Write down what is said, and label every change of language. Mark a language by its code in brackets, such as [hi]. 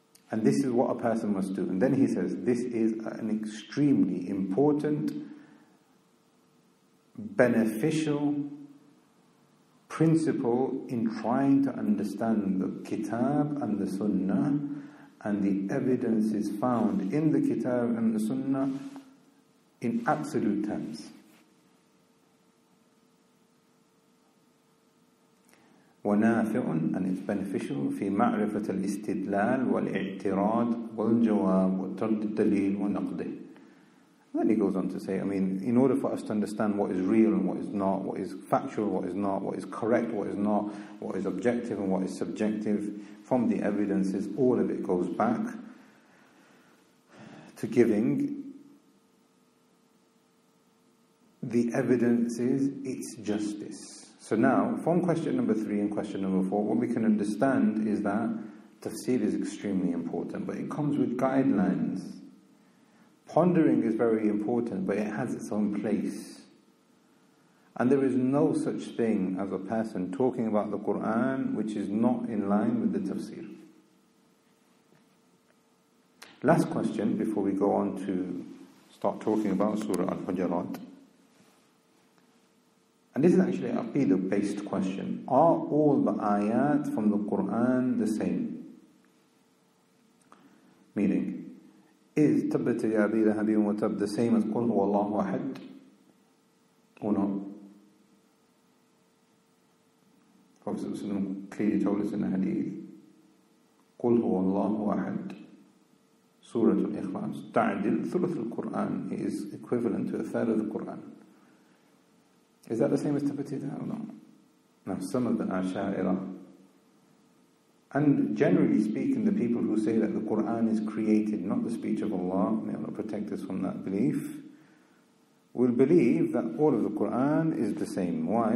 [en] And this is what a person must do. And then he says, this is an extremely important, beneficial principle in trying to understand the kitab and the sunnah and the evidences found in the kitab and the sunnah in absolute terms. [ar] وَنَافِعٌ [en] and it's beneficial [ar] فِي مَعْرِفَةَ الْإِسْتِدْلَالِ وَالْإِعْتِرَادِ وَالْجَوَابِ وَتَرْدِ الدَّلِيلِ وَنَقْدِهِ. [en] Then he goes on to say, I mean, in order for us to understand what is real and what is not, what is factual, what is not, what is correct, what is not, what is objective and what is subjective, from the evidences, all of it goes back to giving the evidences its justice. So now, from question number three and question number four, what we can understand is that tafsir is extremely important, but it comes with guidelines. Pondering is very important, but it has its own place. And there is no such thing as a person talking about the Qur'an which is not in line with the tafsir. Last question before we go on to start talking about Surah Al-Hujarat. And this is actually an aqidah-based question. Are all the ayat from the Qur'an the same? Meaning, is [ar] تبت يا أبي لهب وتب [en] the same as [ar] قل هو الله أحد [en] or not? Prophet ﷺ clearly told us in the hadith, [ar] قل هو الله أحد, سورة الإخلاص تعدل ثلث القرآن, [en] it is equivalent to a third of the Quran. Is that the same as [ar] تبت يا أبي لهب? [en] Now some of the أشاعرة, and generally speaking, the people who say that the Qur'an is created, not the speech of Allah, may Allah protect us from that belief, will believe that all of the Qur'an is the same. Why?